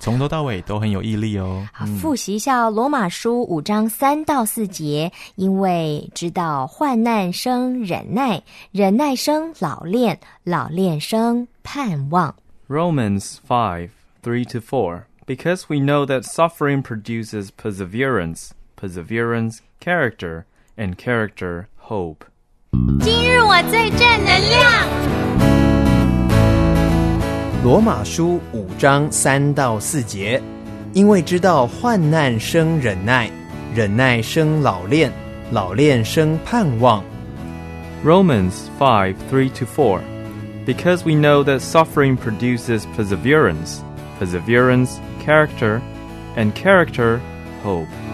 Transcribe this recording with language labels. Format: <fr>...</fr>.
<zh>从头到尾都很有毅力哦。好，复习一下、哦、罗马书五章三到四节，因为知道患难生忍耐，忍耐生老练，老练生盼望。</zh> <en>Romans 5:3-4, because we know that suffering produces perseverance, perseverance, character, and character, hope.</en> <zh>今日我最正能量。罗马书五章三到四节，因为知道患难生忍耐，忍耐生老练，老练生盼望。</zh> <en>Romans 5:3-4. Because we know that suffering produces perseverance, perseverance, character, and character, hope.</en>